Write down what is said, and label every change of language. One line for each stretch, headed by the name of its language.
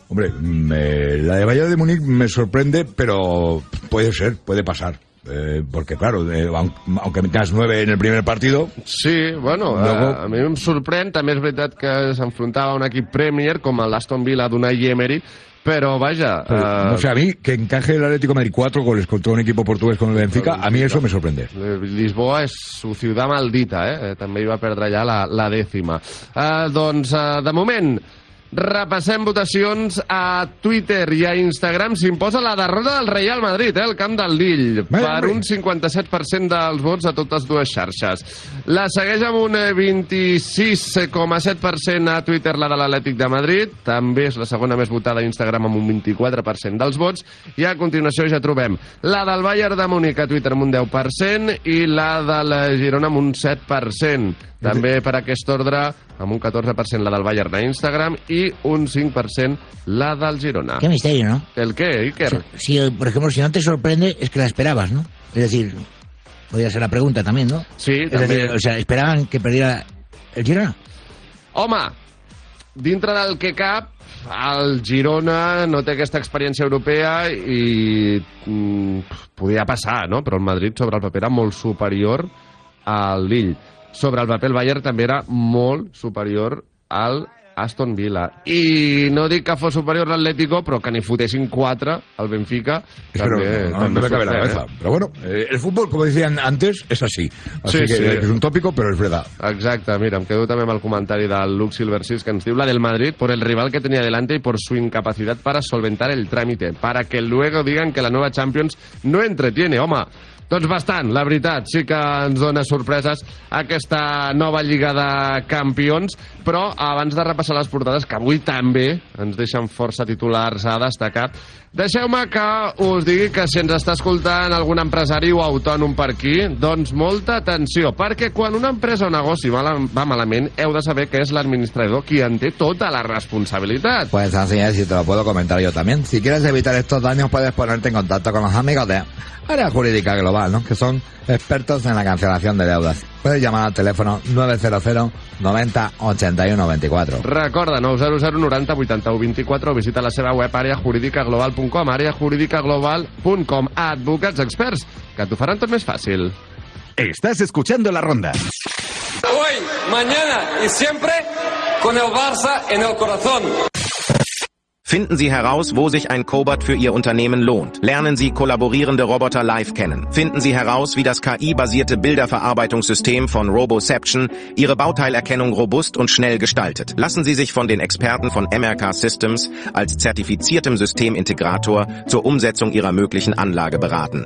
Spanish: Hombre, la de Bayern de Múnich me sorprende, pero puede ser, puede pasar. Porque claro, aunque metas 9 en el primer partido. Sí, bueno, luego...
Catalan: a mi em sorprèn. També és veritat que s'enfrontava a un equip Premier com l'Aston Villa d'Unai Emery.
Spanish: Pero vaya... O sea, a mí, que encaje el Atlético de Madrid 4 goles contra un equipo portugués como el Benfica, a mí eso me sorprende. Lisboa es su ciudad maldita, ¿eh? También iba a perdre ya la décima.
Catalan: Doncs, de moment, repassem votacions a Twitter i a Instagram. S'imposa la derrota del Real Madrid, el camp del Lille, per un 57% dels vots a totes dues xarxes. La segueix amb un 26,7% a Twitter la de l'Atlètic de Madrid, també és la segona més votada a Instagram amb un 24% dels vots, i a continuació ja trobem la del Bayern de Múnich a Twitter amb un 10% i la de la Girona amb un 7%. També per aquest ordre, amb un 14% la del Bayern a Instagram i un 5% la del Girona.
Spanish: Qué misterio, ¿no? ¿El qué, Iker? Si, por ejemplo, si no te sorprende, es que la esperabas, ¿no? Es decir, podría ser la pregunta también, ¿no? Sí, es también. Decir, o sea, ¿esperaban que perdiera el Girona?
Catalan: Home, dintre del que cap, el Girona no té aquesta experiència europea i podia passar, ¿no? Però el Madrid sobre el paper era molt superior al Lille. Sobre el paper, el Bayern també era molt superior al Aston Villa. I no dic que fos superior l'Atlético, però que n'hi fotessin 4 al Benfica... Però, també,
Spanish: no me cabe la cabeza.
Catalan: Però
Spanish: bueno,
Catalan: el futbol, com
Spanish: decían antes,
Catalan: és així.
Spanish: Así sí, que sí.
Catalan: És un tópico, però és verdad. Exacte, mira, em quedo també amb el comentari del Lux Silver 6, que ens diu
Spanish: la del Madrid por el rival que tenía delante y por su incapacidad para solventar el trámite, para que luego digan que la nueva Champions no entretiene,
Catalan: home... Doncs bastant, la veritat, sí que ens dona sorpreses aquesta nova Lliga de Campions, però abans de repassar les portades, que avui també ens deixen força titulars a destacar, deixeu-me que us digui que si ens està escoltant algun empresari o autònom per aquí, doncs molta atenció, perquè quan una empresa o negoci va malament, heu de saber que és l'administrador qui en té tota la responsabilitat.
Spanish: Pues así es, y te lo puedo comentar yo también. Si quieres evitar estos daños, puedes ponerte en contacto con los amigos de Área Jurídica Global, ¿no? Que son expertos en la cancelación de deudas. puedes llamar al teléfono 900 90 81 24.
Catalan: Recorda, 900 90 81 24, o visita la seva web areajuridicaglobal.com, areajuridicaglobal.com. Advocats experts que t'ho faran tot més fàcil. Estàs
Spanish: escuchando La Ronda. Hoy, mañana y siempre con el Barça en el corazón.
German: Finden Sie heraus, wo sich ein Cobot für Ihr Unternehmen lohnt. Lernen Sie kollaborierende Roboter live kennen. Finden Sie heraus, wie das KI-basierte Bilderverarbeitungssystem von Roboception Ihre Bauteilerkennung robust und schnell gestaltet. Lassen Sie sich von den Experten von MRK Systems als zertifiziertem Systemintegrator zur Umsetzung Ihrer möglichen Anlage beraten.